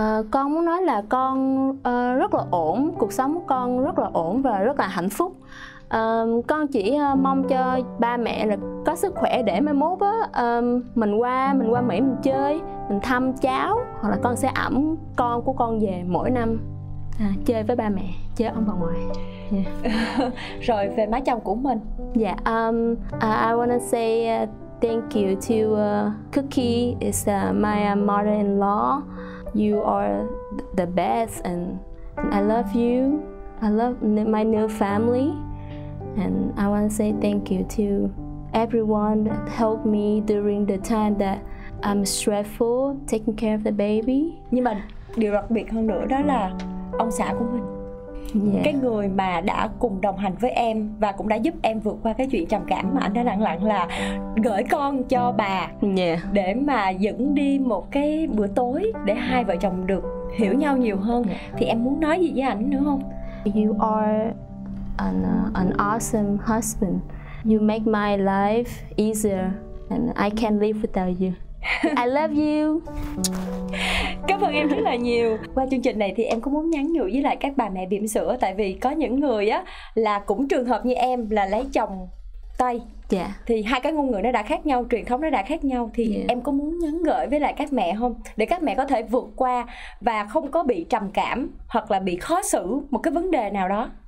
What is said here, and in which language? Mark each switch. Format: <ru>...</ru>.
<vi>Con muốn nói là con rất là ổn, cuộc sống của con rất là ổn và rất là hạnh phúc. Con chỉ mong cho ba mẹ là có sức khỏe để mai mốt á, mình qua Mỹ mình chơi, mình thăm cháu, hoặc là con sẽ ẵm con của con về mỗi năm chơi với ba mẹ, chơi ông bà ngoại. Yeah. Rồi về má chồng của mình.</vi> <en>Dạ, I wanna say thank you to Cookie, it's my mother-in-law. You are the best and I love you. I love my new family. And I want to say thank you to everyone that helped me during the time that I'm stressful taking care of the baby.</en> <vi>Nhưng mà điều đặc biệt hơn nữa đó là ông xã của mình. Yeah. Cái người mà đã cùng đồng hành với em và cũng đã giúp em vượt qua cái chuyện trầm cảm mà anh đã lặng lặng là gửi con cho bà. Yeah. Để mà dẫn đi một cái bữa tối để hai vợ chồng được hiểu nhau nhiều hơn. Yeah. Thì em muốn nói gì với anh nữa không?</vi> <en>You are an awesome husband. You make my life easier and I can't live without you. I love you.</en> <vi>Cảm ơn em rất là nhiều. Qua chương trình này thì em cũng muốn nhắn nhủ với lại các bà mẹ bỉm sữa, tại vì có những người á là cũng trường hợp như em là lấy chồng Tây. Yeah. Thì hai cái ngôn ngữ nó đã khác nhau, truyền thống nó đã khác nhau, thì yeah, em có muốn nhắn gửi với lại các mẹ không, để các mẹ có thể vượt qua và không có bị trầm cảm hoặc là bị khó xử một cái vấn đề nào đó.</vi>